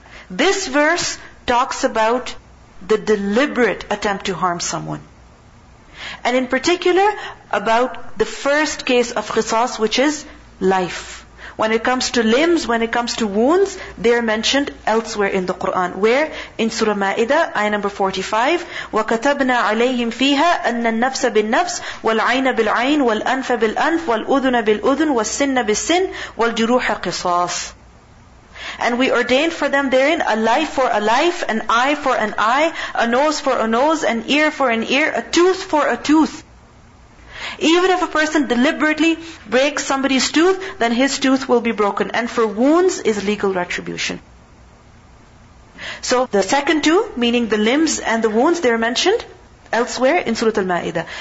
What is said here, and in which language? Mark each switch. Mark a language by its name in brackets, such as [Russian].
[English] This verse talks about the deliberate attempt to harm someone. And in particular, about the first case of qisas, which is life. When it comes to limbs, when it comes to wounds, they are mentioned elsewhere in the Quran. Where? In Surah Ma'idah, ayah number 45, [Arabic] وَكَتَبْنَا عَلَيْهِمْ فِيهَا أَنَّ النَّفْسَ بِالنَّفْسِ وَالْعَيْنَ بِالْعَيْنِ وَالْأَنْفَ بِالْأَنْفِ وَالْأُذُنَ بِالْأُذُنِ وَالسِّنَّ بِالسِّنِ وَالْجُرُوحَ قِصَاصٌ. [English] And we ordained for them therein a life for a life, an eye for an eye, a nose for a nose, an ear for an ear, a tooth for a tooth. Even if a person deliberately breaks somebody's tooth, then his tooth will be broken. And for wounds is legal retribution. So the second two, meaning the limbs and the wounds, they are mentioned elsewhere in Surah Al-Ma'idah.